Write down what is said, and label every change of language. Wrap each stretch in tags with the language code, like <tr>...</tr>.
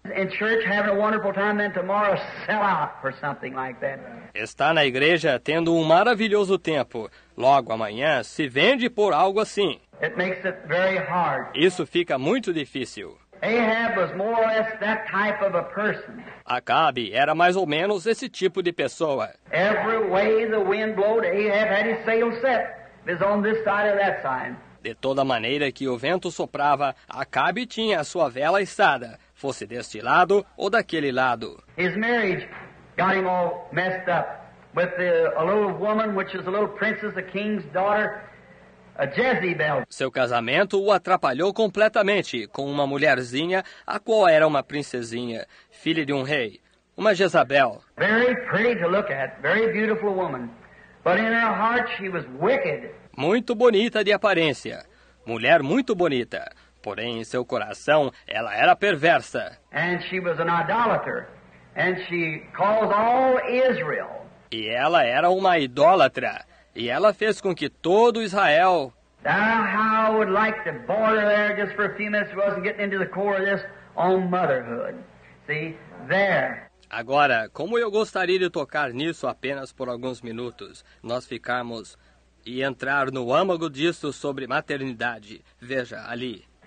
<en>In church, having a wonderful time, then tomorrow, sell out for something like that.</en> <pt>Está na igreja tendo um maravilhoso tempo. Logo amanhã, se vende por algo assim.</pt> <en>It makes it very hard.</en> <pt>Isso fica muito difícil.</pt> <en>Ahab was more or less that type of a person.</en> <pt>Acabe era mais ou menos esse tipo de pessoa.</pt> <en>Every way the wind blowed, Ahab had his sail set. It was on this side or that side.</en> <pt>De toda maneira que o vento soprava, Acabe tinha a sua vela içada, fosse deste lado ou daquele lado.</pt> <en>His marriage got him all messed up with a little woman, which is a little princess, a king's daughter, a Jezebel.</en> <pt>Seu casamento o atrapalhou completamente com uma mulherzinha, a qual era uma princesinha, filha de um rei, uma Jezabel.</pt> <en>Very pretty to look at, very beautiful woman, but in her heart she was wicked.</en> <pt>Muito bonita de aparência, mulher muito bonita, porém em seu coração ela era perversa.</pt> <en>And she was an idolater, and she caused all Israel.</en> <pt>E ela era uma idólatra, e ela fez com que todo Israel.</pt> <en>How I would like to border there just for a few minutes if I wasn't getting into the core of this on motherhood. See, there.</en> <pt>Agora, como eu gostaria de tocar nisso apenas por alguns minutos, nós ficamos. E entrar no âmago disso sobre maternidade. Veja, ali.</pt>